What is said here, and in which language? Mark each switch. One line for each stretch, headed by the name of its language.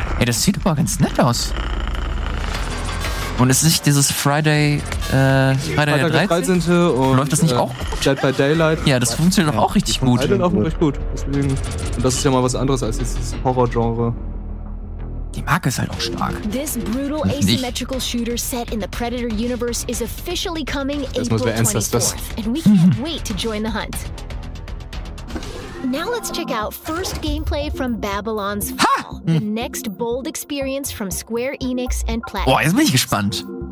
German: Ey, das sieht aber ganz nett aus. Und es ist nicht dieses Friday 13. Und läuft das nicht auch gut? Dead by Daylight. Ja, das funktioniert doch auch richtig gut. Die laufen recht gut. Deswegen. Und das ist ja mal was anderes als dieses Horror-Genre. Die Marke ist halt auch stark.
English: This brutal asymmetrical shooter set in the Predator universe is officially coming April 24th. And we can't wait to join the hunt. Now let's check out first gameplay from Babylon's Fall, the next bold experience from Square Enix and Platinum.
German: Boah, jetzt bin ich gespannt.